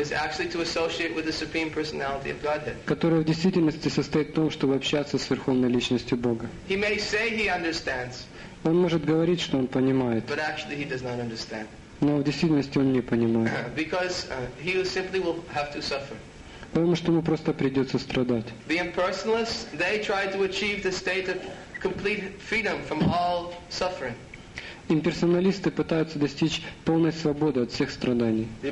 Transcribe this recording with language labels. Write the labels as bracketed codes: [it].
[en] is actually to associate with the supreme personality of Godhead. [ru] Которое в действительности состоит в том, чтобы общаться с Верховной Личностью Бога. [en] He may say he understands, [ru] он может говорить, что он понимает, [en] but actually he does not understand. [ru] Но в действительности он не понимает. [en] Because, he simply will have to suffer. [ru] Потому что ему просто придется страдать. [en] The impersonalists, they try to achieve the state of complete freedom from all suffering. [ru] Имперсоналисты пытаются достичь полной свободы от всех страданий.